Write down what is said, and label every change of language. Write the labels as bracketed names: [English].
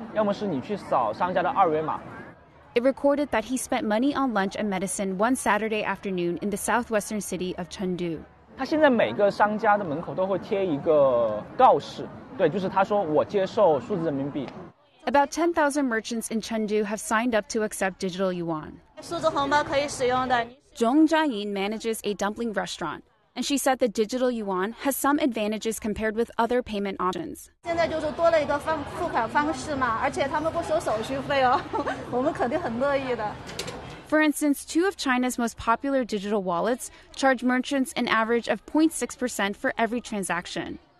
[English] It recorded that he spent money on lunch and medicine one Saturday afternoon in the southwestern city of Chengdu. [Chinese] 他现在每个商家的门口都会贴一个告示，对，就是他说我接受数字人民币。 [English] About 10,000 merchants in Chengdu have signed up to accept digital yuan. Zhong Jiayin manages a dumpling restaurant, and she said the digital yuan has some advantages compared with other payment options. For instance, two of China's most popular digital wallets charge merchants an average of 0.6% for every transaction.